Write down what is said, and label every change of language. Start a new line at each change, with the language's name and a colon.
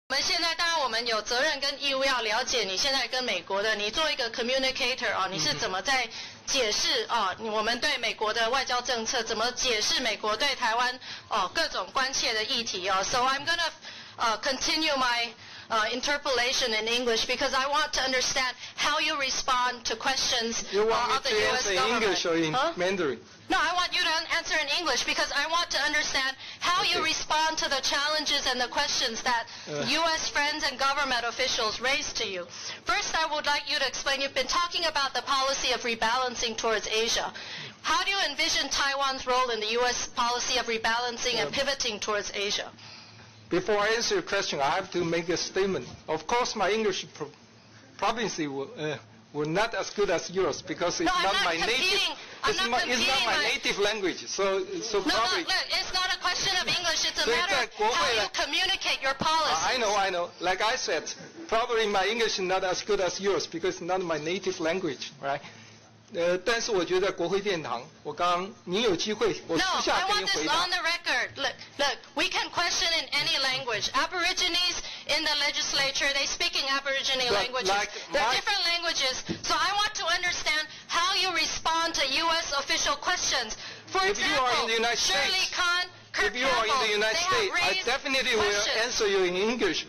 Chinese: 我们现在当然我们有责任跟义务要了解你现在跟美国的，你做一个 communicator 哦，你是怎么在解释哦，我们对美国的外交政策怎么解释美国对台湾哦各种关切的议题哦。
English: So I'm gonna continue my interpolation in English because I want to understand how you respond to questions of the U.S. government. You want me to answer in English or in Mandarin? No, I want you to answer in English because I want to understand how you respond to the challenges and the questions that U.S. friends and government officials raise to you. First, I would like you to explain, you've been talking about the policy of rebalancing towards Asia. How do you envision Taiwan's role in the U.S. policy of rebalancing and pivoting towards Asia? Before I answer your question, I have to make a statement. Of course, my English proficiency will not as good as yours because it's not my native. It's not my native language. So probably. No, look, it's not a question of English. It's a matter of how you communicate your policies. I know. Like I said, probably my English is not as good as yours because it's not my native language, right?
Chinese: 但是我觉得国会殿堂，我刚你有机会，我私下给你回答。
English: No, I want this on the record. Look, we can question in any language. Aborigines in the legislature, they speak in Aborigine languages. They're different languages. So I want to understand how you respond to U.S. official questions. For example, if you are in the United States, Shirley Khan, Kirk Campbell, they have raised questions. Will answer you in English.